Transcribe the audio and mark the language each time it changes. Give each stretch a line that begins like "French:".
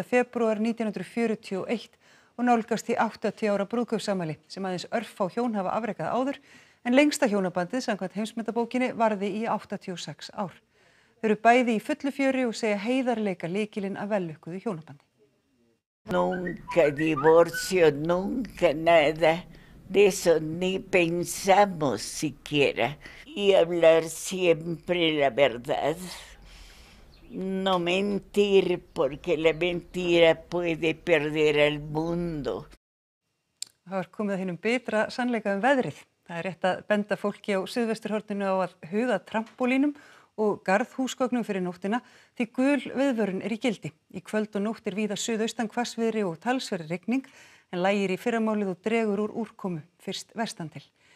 Icelandic: februar 1941 og nálgast í 80 ára brúðkaupsafmæli sem aðeins örfá hjón hafa afrekað áður en lengsta hjónabandið samkvæmt heimsmetabókinni varði í 86 ár. Þau eru bæði í fullu fjöri og segja heiðarleika lykilinn að vellukkuðu hjónabandi.
Spanish: Nunca divorcio, nunca nada. De eso ni pensamos siquiera. Y hablar siempre la verdad. No mentir, porque la mentira puede perder al mundo.
Icelandic: Það var komið að hinum bitra sannleika veðrið. Það rétt að benda fólki á suðvesturhorninu á að huga trampolínum og garðhúsgögnum fyrir nóttina því gul viðvörun í gildi. Í kvöld og nótt víða suðaustan hvassviðri og talsverð rigning en lægir í fyrramálið og dregur úr úrkomu fyrst vestan til.